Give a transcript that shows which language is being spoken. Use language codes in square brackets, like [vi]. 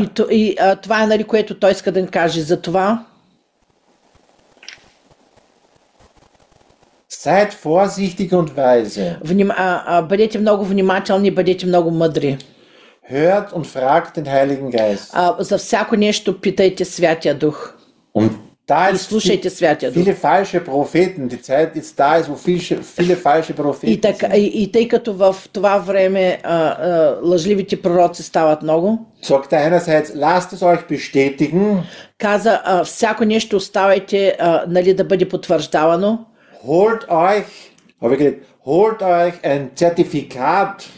[bg] И това е, нали, което той иска да ни каже за това. [de] Seid vorsichtig und weise. [bg] Бъдете много внимателни, бъдете много мъдри. [de] Hört und fragt den Heiligen Geist. [bg] За всяко нещо питайте Святия Дух. [de] Und da [bg] и слушайте Святия Дух. [de] Viele falsche Propheten, die Zeit ist da, wo viele falsche Propheten. [bg] И тъй като в това време лъжливите пророци стават много. [de] Sagt einerseits, lasst es euch bestätigen. [bg] Каза, всяко нещо оставайте, нали, да бъде потвърждавано. [de] Holt euch, habe ich gesagt, holt euch ein Zertifikat.